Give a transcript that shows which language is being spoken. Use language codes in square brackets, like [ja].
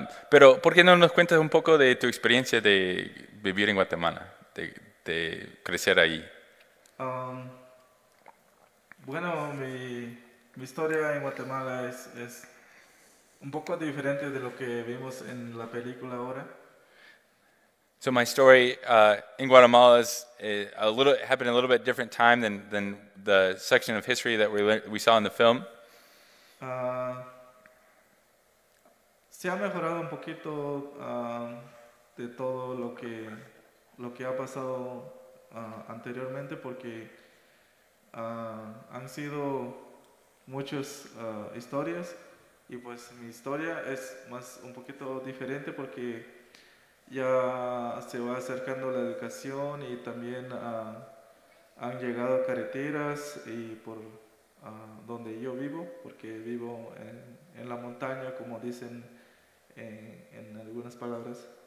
[es] Pero ¿por qué no nos cuentas un poco de tu experiencia de vivir en Guatemala, de crecer ahí? Bueno, mi historia en Guatemala es un poco diferente de lo que vimos en la película ahora. [en] So my story in Guatemala happened a little bit different time than the section of history that we saw in the film. [es] Se ha mejorado un poquito de todo lo que ha pasado anteriormente porque han sido muchas historias y pues mi historia es más un poquito diferente porque ya se va acercando la educación y también han llegado carreteras y por donde yo vivo, porque vivo en la montaña, como dicen en algunas palabras.